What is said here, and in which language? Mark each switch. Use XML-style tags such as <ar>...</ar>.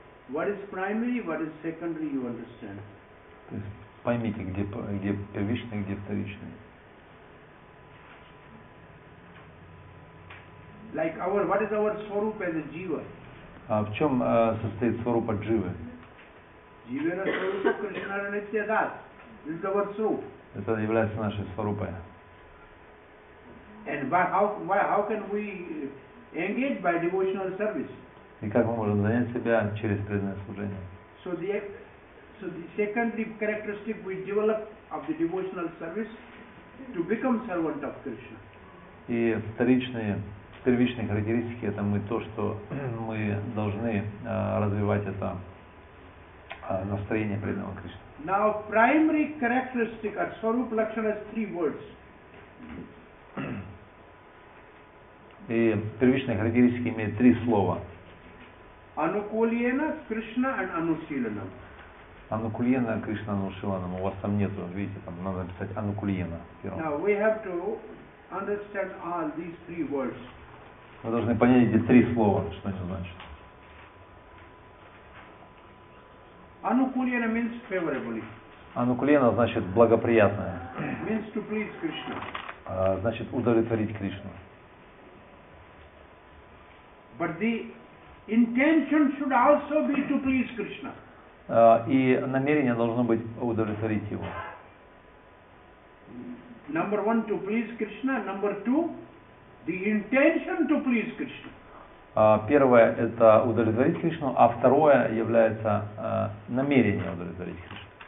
<en>What is primary, what is secondary, you understand?</en> <ru>То есть поймите, где первичный, где вторичный.</ru> <en>Like our, what is our swarup as a jiva?</en> <ru>А в чем состоит сварупа дживы?</ru> <bn>Jivena swarupa krishnara nitya das.</bn> <en>This is our swarup.</en> <ru>Это является нашей сварупой.</ru> <en>And how can we engage by devotional service?</en> <ru>И как мы можем занять себя через преданное служение?</ru> <en>So the secondary characteristic we develop of the devotional service to become servant of Krishna.</en> <ru>И первичные характеристики это мы то, что мы должны развивать это настроение преданного Кришны.</ru> <en>Now primary characteristic or swarup lakshana has three words.</en> <ru>И первичные характеристики имеют три слова.</ru> <en>Anukulyena, Krishna and Anusilanam.</en> <ru>Anukulyena, Krishna, Anusilanam. У вас там нету, видите, там надо написать Anukulyena.</ru> <en>Now we have to understand all these three words.</en> <ru>Вы должны понять эти три слова, что они значат.</ru> <en>Anukulyena means favorably.</en> <ru>Anukulyena значит благоприятное.</ru> <en>Means to please Krishna.</en> <ru>Значит удовлетворить Кришну.</ru> <en>But the intention should also be to please Krishna.</en> <ru>И намерение должно быть удовлетворить его.</ru> <en>Number one, to please Krishna. Number two, the intention to please Krishna.</en> <ru>Первое это удовлетворить Кришну, а второе является намерение удовлетворить Кришну.</ru>